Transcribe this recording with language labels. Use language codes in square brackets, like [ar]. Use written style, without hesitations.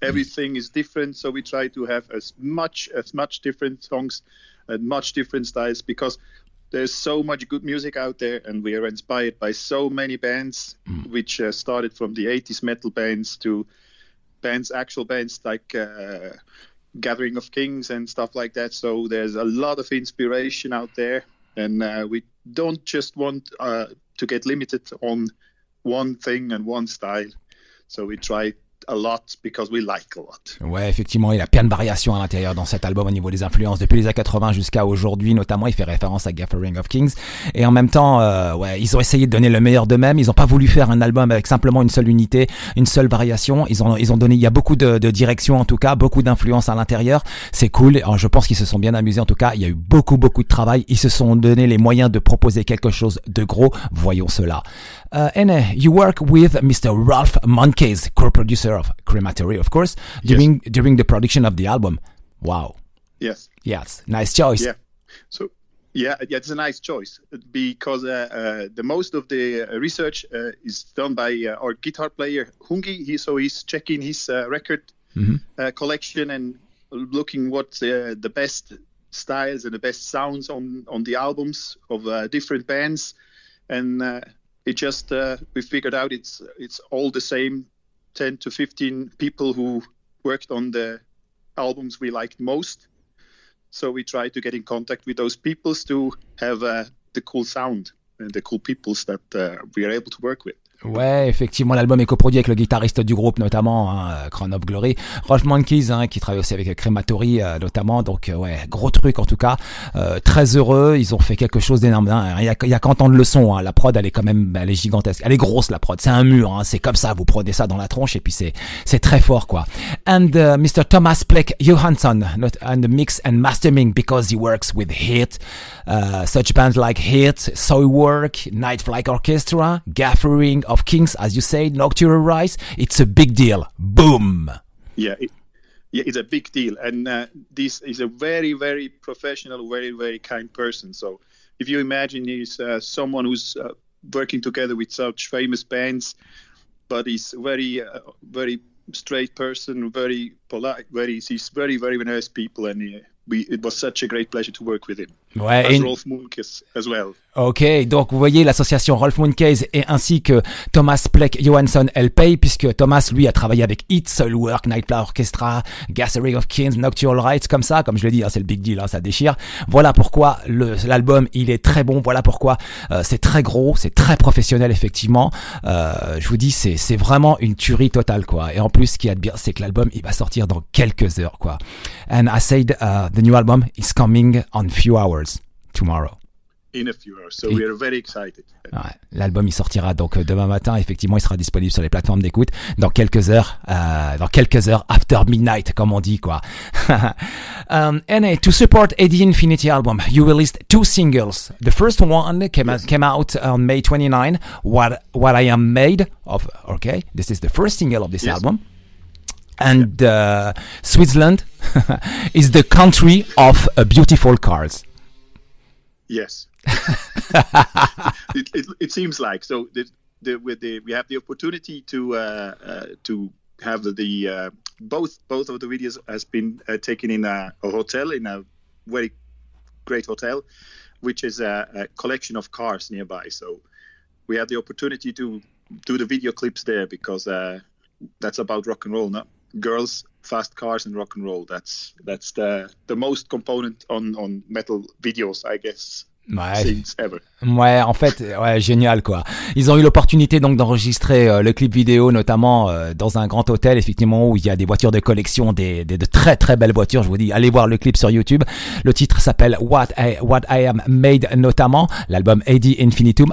[en] Everything is different, so we try to have as much different songs and much different styles, because there's so much good music out there, and we are inspired by so many bands, which started from the 80s metal bands to actual bands like Gathering of Kings and stuff like that. So there's a lot of inspiration out there, and we don't just want to get limited on one thing and one style. So we try a lot because we like a lot. [fr] Ouais, effectivement, il y a plein de variations à l'intérieur dans cet album au niveau des influences depuis les années 80 jusqu'à aujourd'hui. Notamment, il fait référence à Gathering of Kings, et en même temps ouais, ils ont essayé de donner le meilleur d'eux-mêmes. Ils ont pas voulu faire un album avec simplement une seule unité, une seule variation. Ils ont donné, il y a beaucoup de directions, en tout cas beaucoup d'influences à l'intérieur. C'est cool. Alors, je pense qu'ils se sont bien amusés. En tout cas, il y a eu beaucoup de travail. Ils se sont donné les moyens de proposer quelque chose de gros. Voyons cela. [en] You work with Mr. Ralph Monkeys, co-producer of Crematory, of course, during the production of the album. Wow. Yes. Yes. Nice choice. Yeah. So, yeah, it's a nice choice because the most of the research is done by our guitar player, Hungi. So he's checking his record collection and looking what's the best styles and the best sounds on the albums of different bands. And we figured out it's all the same 10 to 15 people who worked on the albums we liked most. So we try to get in contact with those people to have the cool sound and the cool people that we are able to work with. [fr] Ouais, effectivement, l'album est coproduit avec le guitariste du groupe, notamment hein, Crown of Glory, Ralph Monkeys, hein, qui travaille aussi avec Crematory, notamment. Donc ouais, gros truc en tout cas. Très heureux, ils ont fait quelque chose d'énorme. Il y a qu'à entendre le son. Hein, la prod, elle est gigantesque. Elle est grosse, la prod. C'est un mur. Hein, c'est comme ça. Vous prenez ça dans la tronche et puis c'est très fort, quoi. [en] And Mr. Thomas Plek Johansson, and the mix and mastering, because he works with Heat, such bands like Heat, Soilwork, Night Flight Orchestra, Gathering of Kings, as you say, Nocturnal Rise. It's a big deal. Boom. Yeah, it's a big deal. And this is a very, very professional, very, very kind person. So if you imagine he's someone who's working together with such famous bands, but he's very, very straight person, very polite, he's very, very nice people. And it was such a great pleasure to work with him. [fr] Ouais, [en] as Ralph Moonkiss as well. [fr] Ok, donc vous voyez, l'association Ralph Moonkiss et ainsi que Thomas Plek Johansson, elle paye, puisque Thomas, lui, a travaillé avec Heat, Soilwork, Nightfly Orchestra, Gathering of Kings, Nocturnal Rites, comme ça, comme je l'ai dit, hein, c'est le big deal, hein, ça déchire. Voilà pourquoi l'album, il est très bon, voilà pourquoi c'est très gros, c'est très professionnel, effectivement. Je vous dis, c'est vraiment une tuerie totale, quoi. Et en plus, ce qu'il y a de bien, c'est que l'album, il va sortir dans quelques heures, quoi. [en] And I said, the new album is coming on few hours. Tomorrow. In a few hours, so we are very excited. [fr] Ouais, l'album il sortira donc demain matin. Effectivement, il sera disponible sur les plateformes d'écoute dans quelques heures [en] after midnight, [fr] comme on dit, quoi. [en] to support AD Infinity album, you released two singles. The first one came out on May 29. What I am made of. Okay, this is the first single of this album. And Switzerland is the country of beautiful cars. Yes, it seems like so. we have the opportunity to have both of the videos has been taken in a hotel, in a very great hotel, which is a collection of cars nearby. So we have the opportunity to do the video clips there, because that's about rock and roll, not girls, fast cars, and rock and roll. That's the most component on metal videos, I guess. [fr] Ouais, en fait, ouais, génial quoi. Ils ont eu l'opportunité donc d'enregistrer le clip vidéo, notamment dans un grand hôtel, effectivement, où il y a des voitures de collection, de très très belles voitures. Je vous dis, allez voir le clip sur YouTube. Le titre s'appelle What I Am Made, notamment l'album AD Infinitum.